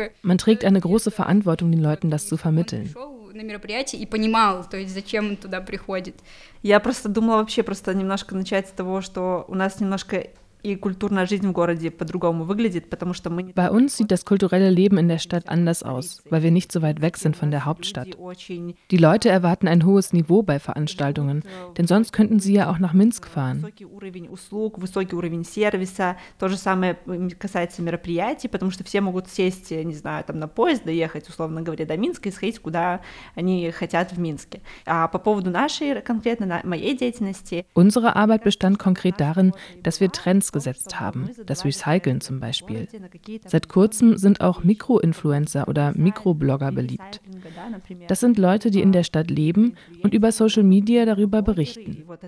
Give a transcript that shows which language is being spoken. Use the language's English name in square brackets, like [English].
[German] Man trägt eine große Verantwortung, den Leuten das zu vermitteln. [Russian] На мероприятии и понимал, то есть зачем он туда приходит. Я просто думала вообще просто немножко начать с того, что у нас немножко и культурная жизнь в городе по-другому выглядит, потому что мы... [German] Bei uns sieht das kulturelle Leben in der Stadt anders aus, weil wir nicht so weit weg sind von der Hauptstadt. Die Leute erwarten ein hohes Niveau bei Veranstaltungen, denn sonst könnten sie ja auch nach Minsk fahren. [Russian] Высокий уровень услуг, высокий уровень сервиса, то же самое касается мероприятий, потому что все могут сесть, не знаю, там на поезд, доехать, условно говоря, до Минска и сходить, куда они хотят в Минске. А по поводу нашей конкретно, моей деятельности... [German] Unsere Arbeit bestand konkret darin, dass wir Trends gesetzt haben, das Recyceln zum Beispiel. Seit kurzem sind auch Mikroinfluencer oder Mikroblogger beliebt. Das sind Leute, die in der Stadt leben und über Social Media darüber berichten.